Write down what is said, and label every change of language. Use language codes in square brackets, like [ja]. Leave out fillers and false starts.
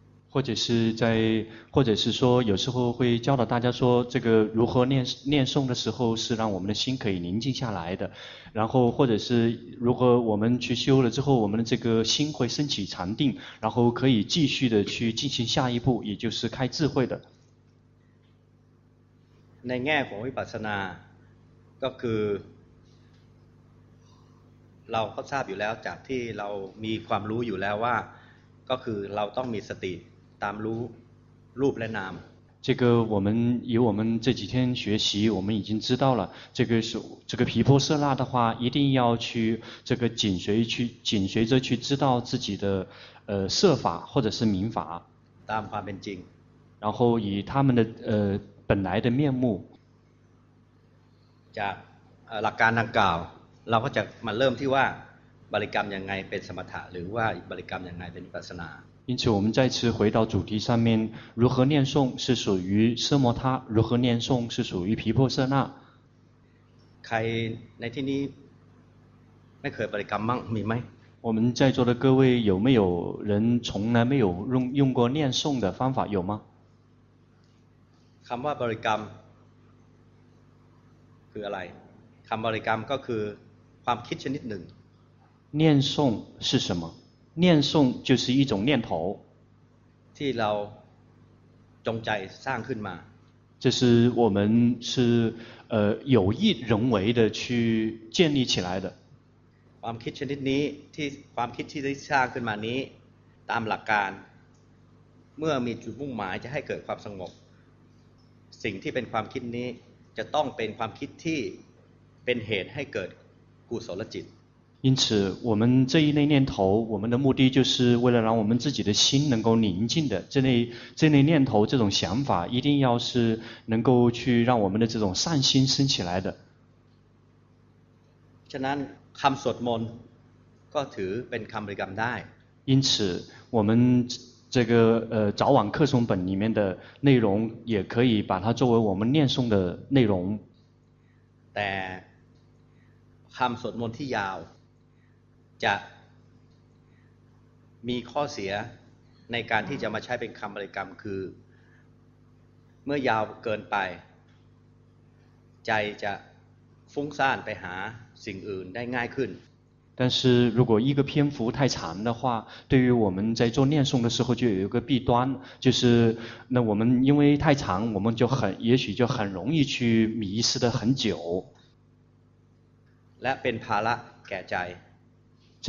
[zh] 或者是在或者是说有时候会教导大家说这个如何念诵的时候是让我们的心可以宁静下来的然后或者是如果我们去修了之后我们的这个心会升起禅定然后可以继续的去进行下一步也就是开智慧的 [th] ในแง่ของวิปัสสนาก็คือเราก็ทราบอยู่แล้วจากที่เรามีความรู้อยู่แล้วว่าก็คือเราต้องมีสติตามรู้รูปและนาม [zh] 这个我们以我们这几天学习我们已经知道了这个是这个毗婆舍那的话一定要去这个紧随着去知道自己的色法或者是名法 [th] ตามความเป็นจริง [zh] 然后以他们的本来的面目 [th] จากหลักการดังกล่าวเราก็จะมาเริ่มที่ว่าบริกรรมยังไงเป็นสมถะหรือว่าบริกรรมยังไงเป็นวิปัสสนา [zh] 因此我们再次回到主题上面如何念诵是属于奢摩他如何念诵是属于毗婆舍那 [th] ใครในที่นี้ไม่เคยบริกรรมบ้างมีไหม [zh] 我们在座的各位有没有人从来没有用过念诵的方法有吗 [th] คำว่าบริกรรมคืออะไรคำบริกรรมก็คือความคิดชนิดหนึ่ง [zh] 念诵是什么念诵就是一种念头 [th] ที่เราจงใจสร้างขึ้นมา [zh] 这是我们是有意人为的去建立起来的 [th] ความคิดชนิดนี้ที่ความคิดที่ได้สร้างขึ้นมานี้ตามหลักการเมื่อมีจุดมุ่งหมายจะให้เกิดความสงบสิ่งที่เป็นความคิดนี้จะต้องเป็นความคิดที่เป็นเหตุให้เกิดกุศลจิต [zh] 因此我们这一类念头我们的目的就是为了让我们自己的心能够宁静的这类念头这种想法一定要是能够去让我们的这种善心升起来的 [th] ฉะนั้นคำสวดมนต์ก็ถือเป็นคำบริกรรมได้ [zh] 因此我们这个早晚课诵本里面的内容也可以把它作为我们念诵的内容 [th] แต่คำสวดมนต์ที่ยาวจะมีข้อเสียในการที่จะมาใช้เป็นคำบริกรรมคือเมื่อยาวเกินไปใจจะฟุ้งซ่านไปหาสิ่งอื่นได้ง่ายขึ้น [zh] 但是如果一个篇幅太长的话对于我们在做念诵的时候就有一个弊端就是那我们因为太长我们就很也许就很容易去迷失的很久 [th] และเป็นภาระแก่ใจ